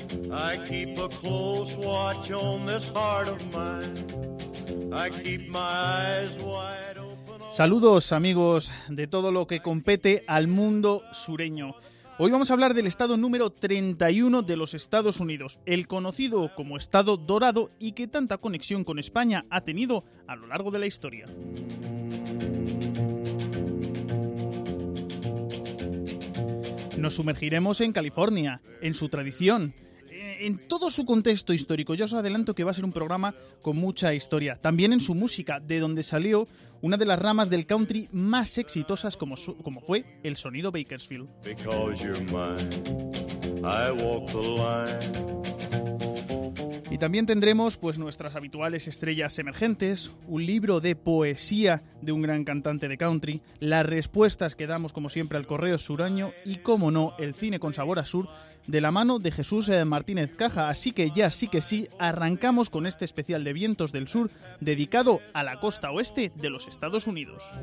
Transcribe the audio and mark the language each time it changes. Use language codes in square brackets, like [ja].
[en] I keep a close watch on this heart of mine. I keep my eyes wide. [es] Saludos amigos de todo lo que compete al mundo sureño. Hoy vamos a hablar del estado número 31 de los Estados Unidos, el conocido como estado dorado y que tanta conexión con España ha tenido a lo largo de la historia. Nos sumergiremos en California, en su tradición, en todo su contexto histórico. Ya os adelanto que va a ser un programa con mucha historia. También en su música, de donde salió una de las ramas del country más exitosas como fue el sonido Bakersfield. [en] Because you're mine, I walk the line. [es] Y también tendremos pues nuestras habituales estrellas emergentes, un libro de poesía de un gran cantante de country, las respuestas que damos como siempre al correo sureño y, como no, el cine con sabor a sur de la mano de Jesús Martínez Caja. Así que ya sí que sí, arrancamos con este especial de Vientos del Sur dedicado a la costa oeste de los Estados Unidos.